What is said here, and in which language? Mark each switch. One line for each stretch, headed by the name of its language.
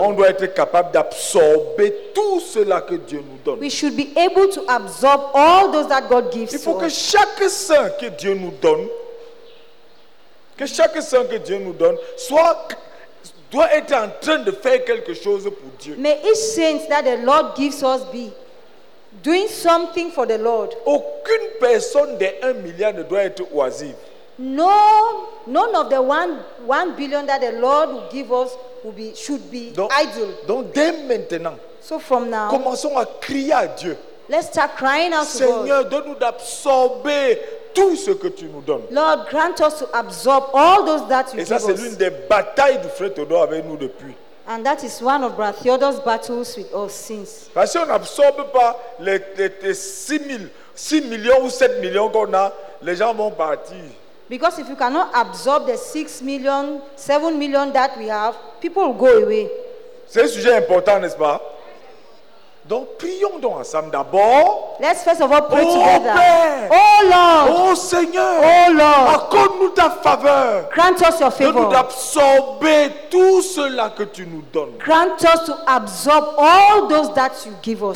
French: On doit être capable d'absorber tout cela que Dieu nous donne.
English: We should be able to absorb all those that God gives us.
French: Il faut que chaque saint que Dieu nous donne, que chaque saint que Dieu nous donne soit doit être en train de faire quelque chose pour Dieu.
English: May each saint that the Lord gives us be doing something for the Lord.
French: Aucune personne des 1 milliard ne doit être oisive.
English: No, none of the 1 billion that the Lord will give us will be should be
French: donc,
English: idle.
French: Donc dès maintenant,
English: so from now,
French: commençons à crier à Dieu.
English: Let's start crying out to
French: Seigneur, Seigneur, donne-nous d'absorber tout ce que tu nous donnes.
English: Lord, grant us to absorb all those that you
French: et
English: give us.
French: Et ça c'est l'une des batailles du frère Théodore avec nous depuis.
English: And that is one of Brother Theodore's battles with us since.
French: Parce qu'on n'absorbe pas les 6 millions ou 7 millions qu'on a, les gens vont partir.
English: Because if you cannot absorb the 6 million, 7 million that we have, people will go away.
French: C'est un sujet important, n'est-ce pas? Donc prions donc ensemble d'abord.
English: Let's first of all pray together.
French: Père,
English: oh Lord.
French: Oh Seigneur.
English: Oh Lord.
French: Accorde-nous ta faveur.
English: Grant us your favor.
French: Donne-nous d'absorber tout cela que tu nous donnes.
English: Grant us to absorb all those that you give us.